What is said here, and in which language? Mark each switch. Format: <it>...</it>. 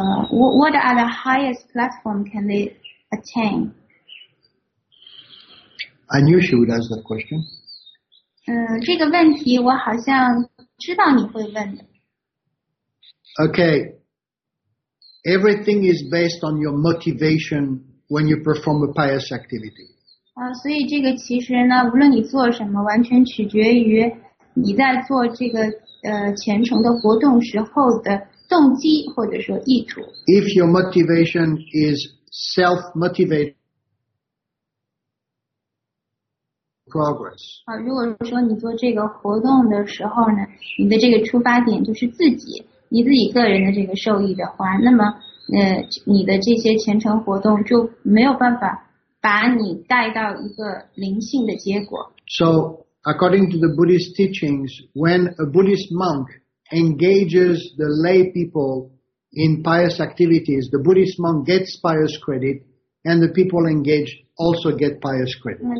<en>What are the highest platform can they attain? I knew she would ask that question.</en> <zh>这个问题我好像知道你会问的。</zh> <en>Okay, everything is based on your motivation when you perform a pious activity.</en> <zh>所以这个其实呢，无论你做什么，完全取决于你在做这个虔诚的活动时候的动机或者说意图。</zh> <en>If your motivation is self-motivated. Progress.</en> <zh>如果说你做这个活动的时候呢，你的这个出发点就是自己，你自己个人的这个受益的话，那么你的这些虔诚活动就没有办法把你带到一个灵性的结果。</zh> <en>So, according to the Buddhist teachings, when a Buddhist monk engages the lay people in pious activities, the Buddhist monk gets pious credit. And the people engaged also get pious credit.</en>